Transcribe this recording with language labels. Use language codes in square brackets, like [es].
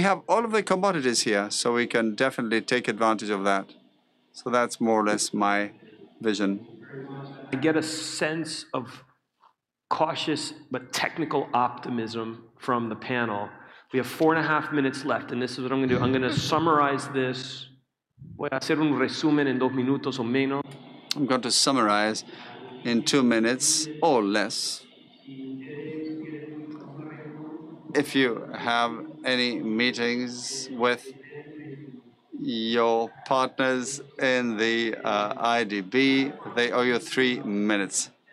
[en] We have all of the commodities here, so we can definitely take advantage of that. So that's more or less my vision. I get a sense of cautious but technical optimism from the panel. We have 4.5 minutes left, and this is what I'm going to do. I'm going to summarize this. [es] Voy a hacer un resumen en dos minutos o menos. [en] I'm going to summarize in 2 minutes or less. If you have any meetings with your partners in the IDB, they owe you 3 minutes.